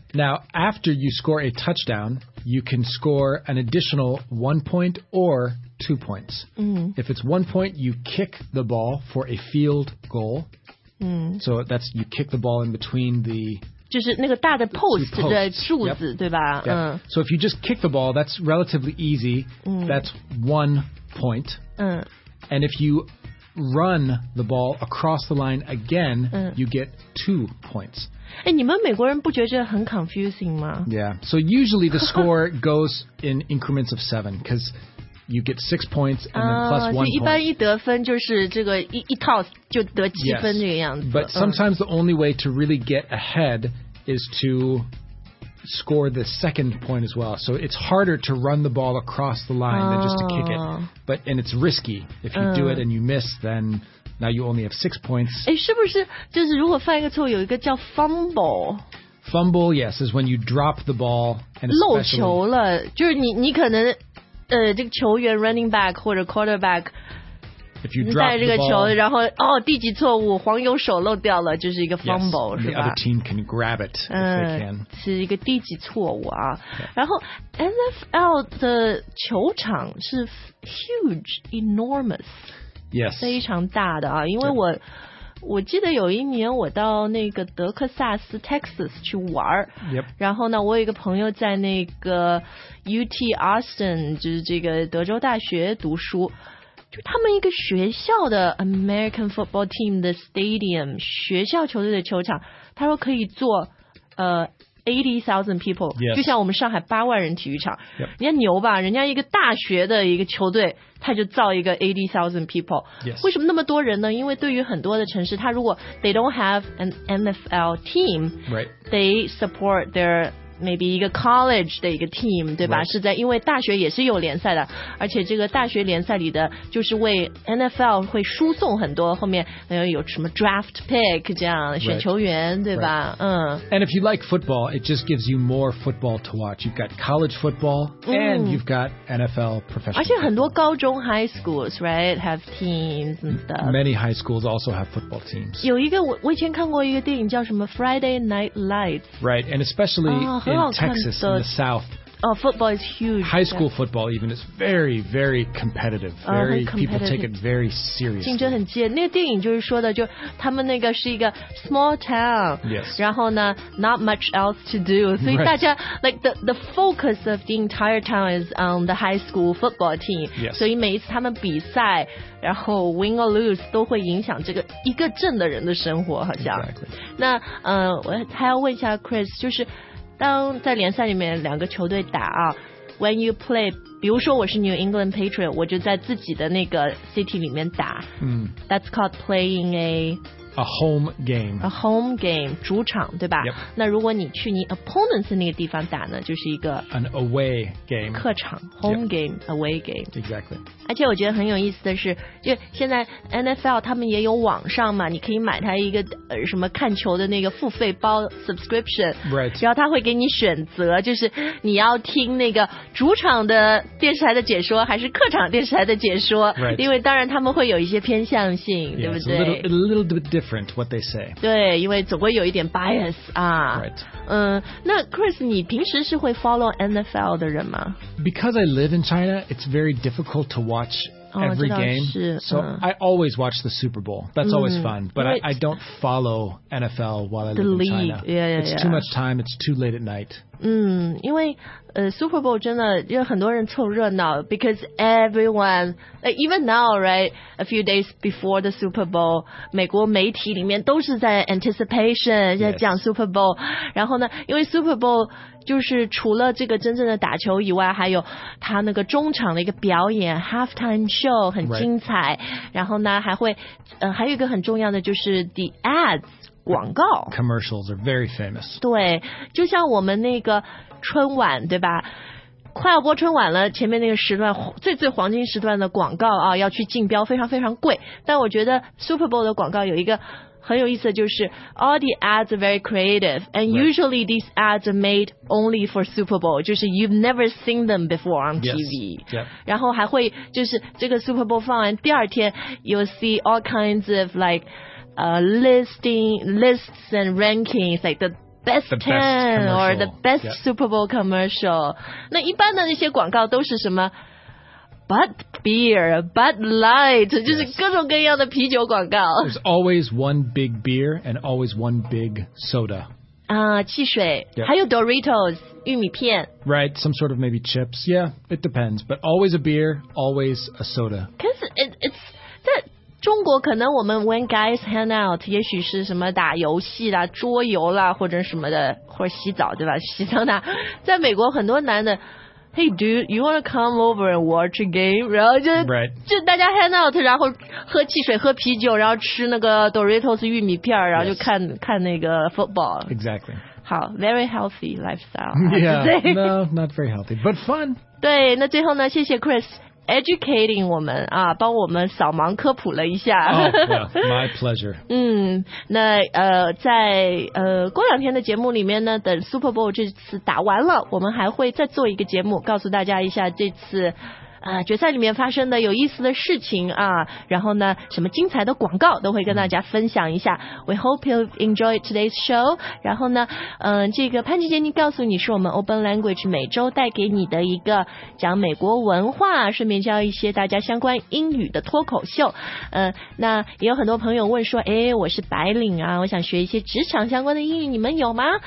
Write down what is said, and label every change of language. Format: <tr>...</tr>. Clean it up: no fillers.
<en>Now, after you score a touchdown,You can score an additional 1 point or 2 points.、 Mm. If it's 1 point, you kick the ball for a field goal.、 Mm. So that's you kick the ball in between the.</en> <zh>就是那个大的 post 的柱子、</zh> <en>yep.</en> <zh>对吧、</zh> <en>yep. 嗯、 So if you just kick the ball, that's relatively easy.、Mm. That's 1 point.、嗯、 And if you run the ball across the line again,、嗯、 you get 2 points.</en> <zh>哎，你们美国人不觉得很 confusing 吗</zh> <en>？Yeah, so usually the score goes in increments of 7, because you get 6 points and then plus 1 point.</en> <zh>一般一得分就是这个一套就得七分这个样子。</zh> <en>Yes, but sometimes、嗯、 the only way to really get ahead is to score the second point as well. So it's harder to run the ball across the line、 oh. than just to kick it. But and it's risky. If you、嗯、 do it and you miss, then... Now you only have 6 points.</en> <zh>诶是不是就是如果犯一个错误有一个叫 fumble?</zh> <en>Fumble, yes, is when you drop the ball. And</en> <zh>漏球了就是 你可能、这个球员 running back 或者 quarterback,</zh> <en>if you drop</en> <zh>你带这个球</zh> <en>ball,</en> <zh>然后哦低级错误黄油手漏掉了就是一个 fumble,</zh> <en>yes,</en> <zh>是吧</zh> <en>the other team can grab it if they can.</en> <zh>是一个低级错误啊。然后 NFL 的球场是 huge, enormous.</zh> <en>Yes.</en> <zh>非常大的啊因为我、</zh> <en>yep.</en> <zh>我记得有一年我到那个德克萨斯 Texas 去玩、</zh> <en>yep.</en> <zh>然后呢我有一个朋友在那个 UT Austin 就是这个德州大学读书就他们一个学校的 American Football Team 的 Stadium 学校球队的球场他说可以做80,000 people、</zh> <en>yes.</en> <zh>就像我们上海80,000人体育场、</zh> <en>yep.</en> <zh>人家牛吧人家一个大学的一个球队他就造一个80,000 people、</zh> <en>yes.</en> <zh>为什么那么多人呢因为对于很多的城市他如果</zh> <en>they don't have an NFL team、 right. they support their maybe 一个 college 的一个 team 对吧、 right.</en> <zh>是在因为大学也是有联赛的而且这个大学联赛里的就是为 NFL 会输送很多后面有什么 draft pick 这样、</zh> <en>right.</en> <zh>选球员对吧、</zh> <en>right. 嗯 and if you like football it just gives you more football to watch you've got college football、嗯、 and you've got NFL professional</en> <zh>而且很多高中</zh> <en>high schools right have teams and stuff many high schools also have football teams</en> <zh>有一个 我以前看过一个电影叫什么 Friday Night Lights</zh> <en>right and especially、In Texas, in the South. Oh, football is huge. High school football, even, is very, very competitive. Very, competitive. People take it very seriously.</en> <zh>竞争很激烈。那个电影就是说的，就他们那个是一个 small town.</zh> <en>Yes.</en> <zh>然后呢</zh> <en>not much else to do.</en> <zh>所以大家</zh> <en>right. like the focus of the entire town is on the high school football team. Yes.</en> <zh>所以每一次他们比赛，然后</zh> <en>win or lose</en> <zh>都会影响这个一个镇的人的生活，好像。</zh> <en>Exactly.</en> <zh>那我还要问一下 Chris， 就是。当在联赛里面两个球队打啊 ，</zh> <en>When you play，</en> <zh>比如说我是 New England Patriot， 我就在自己的那个 city 里面打。嗯、</zh> <en>That's called playing a home game. A home game，</en> <zh>主场对吧、</zh> <en>yep.</en> <zh>那如果你去你 opponents 那个地方打呢，就是一个</zh> <en>an away game，</en> <zh>客场 home、</zh> <en>yep. game， away game。 Exactly。</en> <zh>而且我觉得很有意思的是，就现在 NFL 他们也有网上嘛，你可以买他一个什么看球的那个付费包 subscription。</zh> <en>Right。</en> <zh>然后他会给你选择，就是你要听那个主场的电视台的解说，还是客场电视台的解说。</zh> <en>Right。</en> <zh>因为当然他们会有一些偏向性，</zh> <en>yeah,</en> <zh>对不对</zh> <en>？A little bit different what they say.</en> <zh>对，因为总会有一点 bias 啊。</zh> <en>Right.</en> <zh>那 Chris， 你平时是会 follow NFL 的人吗</zh> <en>？Because I live in China, it's very difficult to watch every game.</en> <zh>是。</zh> <en>So I always watch the Super Bowl. That's always fun. But I don't follow NFL while I live in China. The league. Yeah. It's too much time. It's too late at night.</en> <zh>嗯，因为Super Bowl 真的有很多人凑热闹 ，</zh> <en>because everyone、even now right a few days before the Super Bowl，</en> <zh>美国媒体里面都是在 anticipation 在讲 Super Bowl，、</zh> <en>yes.</en> <zh>然后呢，因为 Super Bowl 就是除了这个真正的打球以外，还有他那个中场的一个表演 halftime show 很精彩、</zh> <en>right.</en> <zh>然后呢还会还有一个很重要的就是 the ads 广告</zh> <en>commercials are very famous</en> <zh>对就像我们那个春晚对吧快要播春晚了前面那个时段最最黄金时段的广告啊要去竞标非常非常贵但我觉得 Super Bowl 的广告有一个很有意思的就是</zh> <en>All the ads are very creative And usually these ads are made only for Super Bowl 就是 you've never seen them before on TV yes,、yep.</en> <zh>然后还会就是这个</zh> <en>Super Bowl</en> <zh>放完第二天</zh> <en>You'll see all kinds of like、lists and rankings Like the best 10 or the best、 yep.</en> <zh>Super Bowl commercial 那一般的那些广告都是什么Bud beer, Bud light,、</zh> <en>yes.</en> <zh>就是各种各样的啤酒广告。</zh> <en>There's always one big beer and always one big soda.</en> <zh>啊、汽水、</zh> <en>yep.</en> <zh>还有 Doritos, 玉米片。</zh> <en>Right, some sort of maybe chips. Yeah, it depends. But always a beer, always a soda. Because it's,</en> <zh>在中国可能我们</zh> <en>when guys hang out,</en> <zh>也许是什么打游戏啦、桌游啦或者什么的或者洗澡对吧洗桑拿。在美国很多男的</zh> <en>Hey, dude, you want to come over and watch a game?</en> <zh>然后就、</zh> <en>right.</en> <zh>就大家 hang out, 然后喝汽水、喝啤酒，然后吃那个 Doritos 玉米片，然后就看、</zh> <en>yes.</en> <zh>看那个 football.</zh> <en>Exactly.</en> <zh>好</zh> <en>，very healthy lifestyle. Yeah, no, not very healthy, but fun.</en> <zh>对，那最后呢？谢谢 Chris educating 我们啊，帮我们扫盲科普了一下。</zh> <en>Oh, well, my pleasure.</en> <zh>嗯，那在过两天的节目里面呢，等 Super Bowl 这次打完了，我们还会再做一个节目，告诉大家一下这次决赛里面发生的有意思的事情啊，然后呢，什么精彩的广告都会跟大家分享一下。</zh> <en>We hope you enjoy today's show.</en> <zh>然后呢，这个潘吉杰尼告诉你是我们 Open Language 每周带给你的一个讲美国文化，顺便教一些大家相关英语的脱口秀。那也有很多朋友问说，哎，我是白领啊，我想学一些职场相关的英语，你们有吗？</zh>